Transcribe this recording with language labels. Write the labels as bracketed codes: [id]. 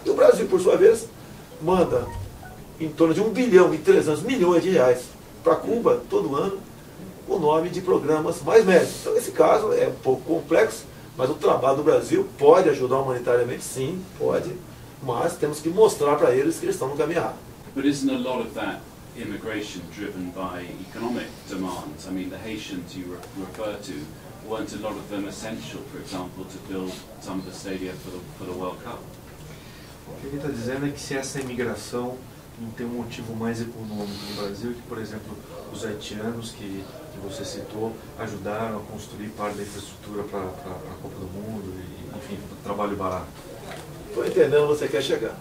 [pt] E o Brasil, por sua vez, manda em torno de 1.300.000.000 de reais para Cuba todo ano, o nome de programas mais médios. Então, esse caso é um pouco complexo, mas o trabalho do Brasil pode ajudar humanitariamente, sim, pode, mas temos que mostrar para eles que eles estão no caminho errado. [en] But isn't a lot of that immigration driven by economic demands? I mean, the Haitians you refer to, weren't a lot of them essential, for example, to build some of the stadia for the World Cup? [pt] O que ele está dizendo é que se essa imigração não tem um motivo mais econômico no Brasil, que, por exemplo, os haitianos que você citou ajudaram a construir parte da infraestrutura para a Copa do Mundo, e, enfim, um trabalho barato. Estou entendendo onde você quer chegar.